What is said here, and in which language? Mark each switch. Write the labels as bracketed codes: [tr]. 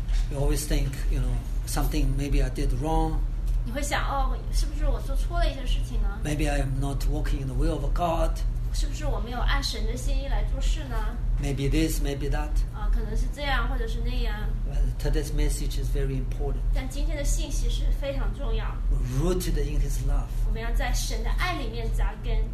[en] you always think, you know, something maybe I did wrong. [zh] 你会想, 哦, 是不是我做错了一件事情呢? [en] Maybe I am not walking in the will of God. [zh] 是不是我没有按神的心意来做事呢? [en] Maybe this, maybe that. [zh] 可能是这样, 或者是那样。 [en] But today's message is very important. [zh] 但今天的信息是非常重要。 [en] Rooted in His love. [zh] 我们要在神的爱里面扎根。